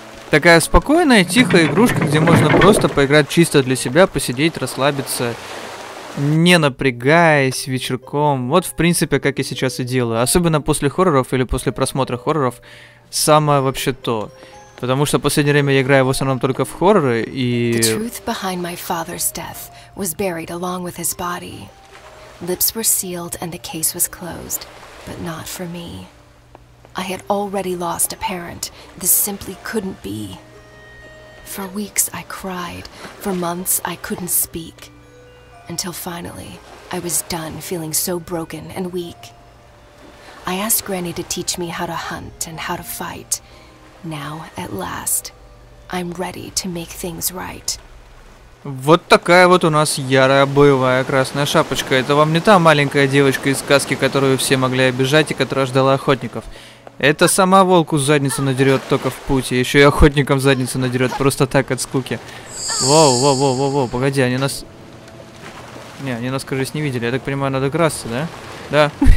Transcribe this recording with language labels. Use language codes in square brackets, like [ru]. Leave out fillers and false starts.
[ru] Такая спокойная, тихая игрушка, где можно просто поиграть чисто для себя, посидеть, расслабиться, не напрягаясь вечерком. Вот, в принципе, как я сейчас и делаю. Особенно после хорроров или после просмотра хорроров, самое вообще то. Потому что в последнее время я играю в основном только в хорроры, и... [en] The truth behind my father's death was buried along with his body. Lips were sealed and the case was closed, but not for me. I had already lost a parent. This simply couldn't be. For weeks I cried. For months I couldn't speak. Until finally, I was done feeling so broken and weak. I asked Granny to teach me how to hunt and how to fight. Now, at last, I'm ready to make things right. [ru] Вот такая вот у нас ярая боевая красная шапочка. Это вам не та маленькая девочка из сказки, которую все могли обижать и которая ждала охотников. Это сама волку задницу надерет только в пути, еще и охотникам задницу надерет просто так от скуки. Воу, погоди, они нас... Не, они нас, кажется, не видели, я так понимаю, надо красться, да? Да.